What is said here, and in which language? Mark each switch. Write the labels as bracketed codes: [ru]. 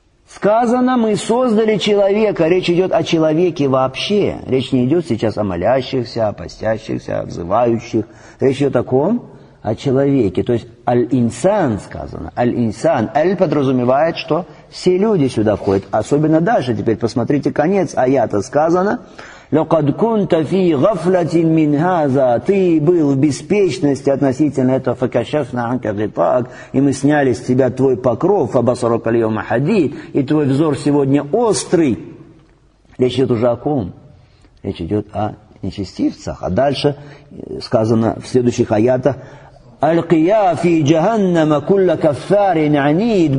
[ru] Сказано, мы создали человека. Речь идет о человеке вообще. Речь не идет сейчас о молящихся, о постящихся, о взывающих. Речь идет о ком? О человеке. То есть, аль-инсан сказано. Аль-инсан. Аль подразумевает, что все люди сюда входят. Особенно дальше. Теперь посмотрите конец аята. Сказано, [ar] لَقَدْ كُنْتَ فِي غَفْلَةٍ مِنْ هَذَا. [ru] Ты был в беспечности относительно этого. [ar] فَكَشَفْنَا عَنْكَ غِطَاكَ. [ru] И мы сняли с тебя твой покров. [ar] فَبَصَرُكَ الْيَوْمَ حَدِيدٌ. [ru] И твой взор сегодня острый. Речь идет уже о ком? Речь идет о нечестивцах. А дальше сказано в следующих аятах, [ar] أَلْقِيَا فِي جَهَنَّمَ كُلَّ كَفَّارٍ عَنِيدٍ.